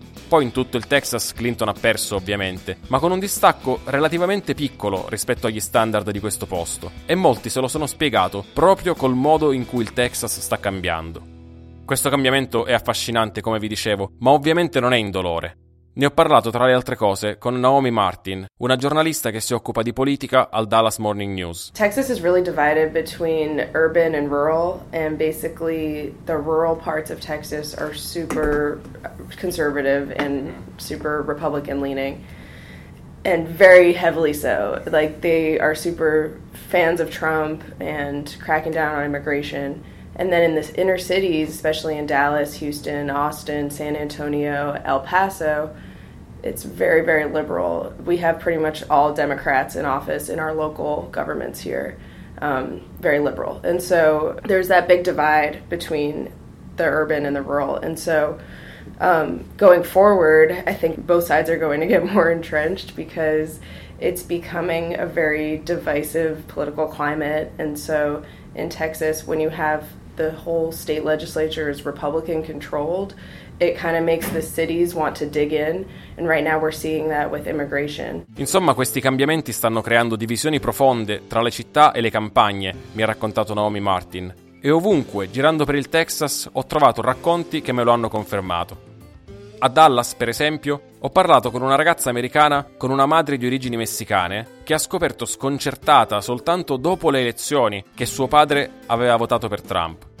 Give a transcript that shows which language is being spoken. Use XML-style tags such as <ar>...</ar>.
<it>Poi in tutto il Texas Clinton ha perso, ovviamente, ma con un distacco relativamente piccolo rispetto agli standard di questo posto, e molti se lo sono spiegato proprio col modo in cui il Texas sta cambiando. Questo cambiamento è affascinante, come vi dicevo, ma ovviamente non è indolore. Ne ho parlato, tra le altre cose, con Naomi Martin, una giornalista che si occupa di politica al Dallas Morning News.</it> <en>Texas is really divided between urban and rural, and basically the rural parts of Texas are super conservative and super Republican leaning, and very heavily so. Like, they are super fans of Trump and cracking down on immigration. And then in the inner cities, especially in Dallas, Houston, Austin, San Antonio, El Paso, it's very, very liberal. We have pretty much all Democrats in office in our local governments here, very liberal. And so there's that big divide between the urban and the rural. And so going forward, I think both sides are going to get more entrenched because it's becoming a very divisive political climate. And so in Texas, when you have the whole state legislature is Republican controlled, it kind of makes the cities want to dig in, and right now we're seeing that with immigration.</en> <it>Insomma, questi cambiamenti stanno creando divisioni profonde tra le città e le campagne, mi ha raccontato Naomi Martin. E ovunque, girando per il Texas, ho trovato racconti che me lo hanno confermato. A Dallas, per esempio, ho parlato con una ragazza americana con una madre di origini messicane che ha scoperto sconcertata soltanto dopo le elezioni che suo padre aveva votato per Trump.</it>